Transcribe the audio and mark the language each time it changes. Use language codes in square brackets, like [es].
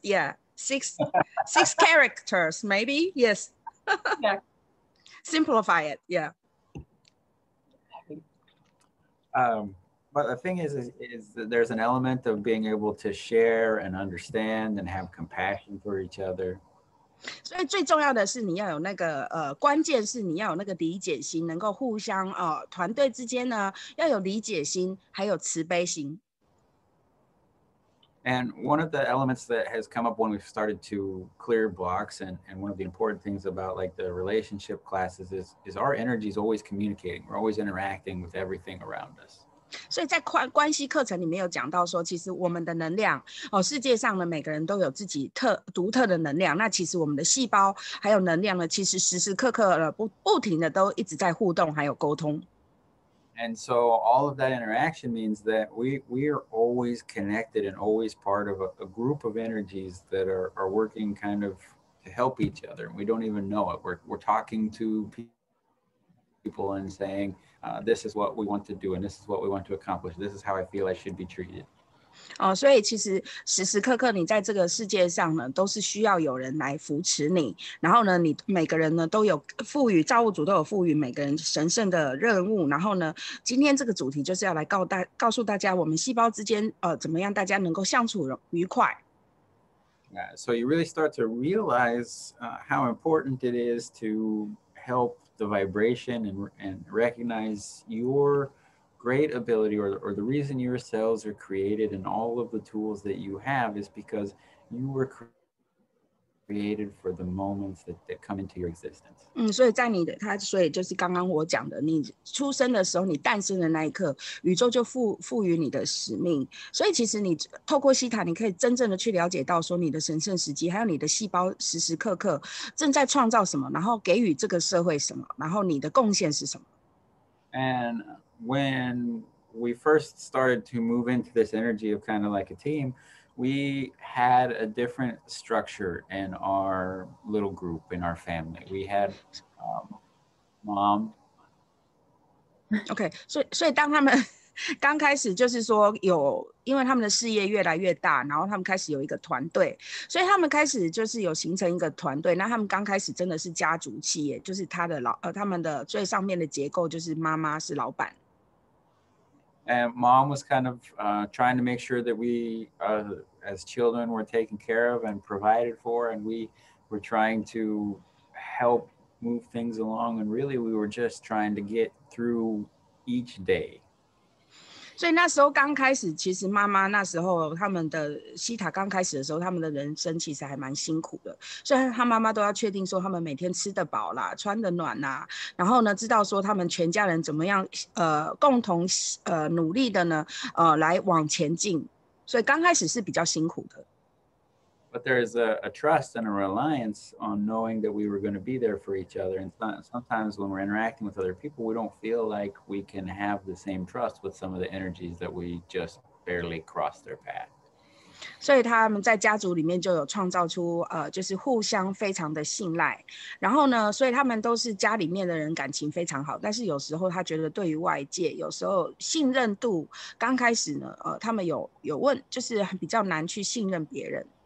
[en] Yeah, six characters maybe. Yes. Yeah. Simplify it. Yeah. But the thing is that there's an element of being able to share and understand and have compassion for each other. [zh] 所以最重要的是你要有那个关键是你要有那个理解心，能够互相团队之间呢要有理解心，还有慈悲心。 [en] And one of the elements that has come up when we've started to clear blocks, and one of the important things about like the relationship classes is our energy is always communicating. We're always interacting with everything around us. [zh] 所以在关系课程里面有讲到说，其实我们的能量哦，世界上的每个人都有自己独特的能量。那其实我们的细胞还有能量呢，其实时时刻刻不停的都一直在互动还有沟通。 [en] And so all of that interaction means that we are always connected and always part of a group of energies that are working kind of to help each other. We don't even know it. We're talking to people and saying, this is what we want to do and this is what we want to accomplish. This is how I feel I should be treated. [zh] 所以其实时时刻刻你在这个世界上呢都是需要有人来扶持你，然后呢你每个人呢都有赋予造物主都有赋予每个人神圣的任务，然后呢今天这个主题就是要来告诉大家我们细胞之间怎么样大家能够相处愉快。 [en] So you really start to realize how important it is to help the vibration and recognize yourGreat ability or the reason your cells are created and all of the tools that you have is because you were created for the moments that come into your existence. [zh] 所以在你的所以就是刚刚我讲的你出生的时候你诞生的那一刻宇宙就赋予你的使命。所以其实你透过西塔你可以真正的去了解到说你的神圣时机还有你的细胞时时刻刻正在创造什么，然后给予这个社会什么，然后你的贡献是什么。 [en] And,When we first started to move into this energy of kind of like a team, we had a different structure in our little group, in our family. We had mom. Okay, so [zh] 当他们刚开始就是说有，因为他们的事业越来越大，然后他们开始有一个团队，所以他们开始就是有形成一个团队。那他们刚开始真的是家族企业，就是他们的最上面的结构就是妈妈是老板。 [en] And mom was kind of trying to make sure that we, as children, were taken care of and provided for, and we were trying to help move things along, and really we were just trying to get through each day. [zh] 所以那时候刚开始，其实妈妈那时候他们的西塔刚开始的时候，他们的人生其实还蛮辛苦的。虽然他妈妈都要确定说他们每天吃得饱啦、穿得暖啦，然后呢，知道说他们全家人怎么样，共同努力的呢，来往前进。所以刚开始是比较辛苦的。 [en] But there is a trust and a reliance on knowing that we were going to be there for each other. And sometimes when we're interacting with other people, we don't feel like we can have the same trust with some of the energies that we just barely crossed their path. [zh] 所以他们在家族里面就有创造出就是互相非常的信赖。然后呢，所以他们都是家里面的人感情非常好。但是有时候他觉得对于外界，有时候信任度刚开始呢，他们有问，就是比较难去信任别人。